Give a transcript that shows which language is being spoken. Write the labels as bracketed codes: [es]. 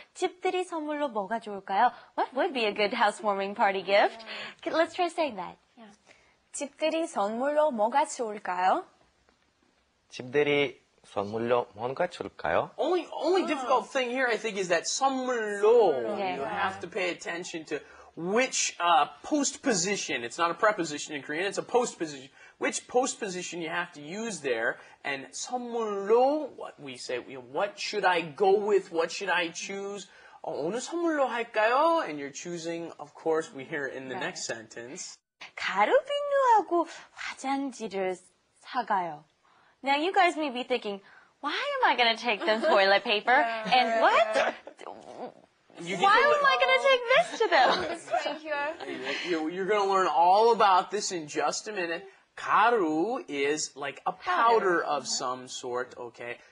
[ko] 집들이 선물로 뭐가 좋을까요? [en] What would be a good housewarming party gift? Yeah. Let's try saying that. Yeah. [ko] 집들이 선물로 뭐가 좋을까요? 집들이 선물로 뭔가 줄까요? [en] Only difficult thing here, I think, is that 선물로. Yeah. You have to pay attention to which postposition. It's not a preposition in Korean, it's a postposition. Which postposition you have to use there, and 선물로, what we say, what should I go with, what should I choose? [ko] 오늘 선물로 할까요? [en] And you're choosing, of course, we hear in the next sentence. [ko] 가루비누하고 화장지를 사가요. [en] Now you guys may be thinking, why am I going to take the toilet paper? And what? Why am I going to take this to them? You're going to learn all about this in just a minute. Garu is like a powder of some sort, okay?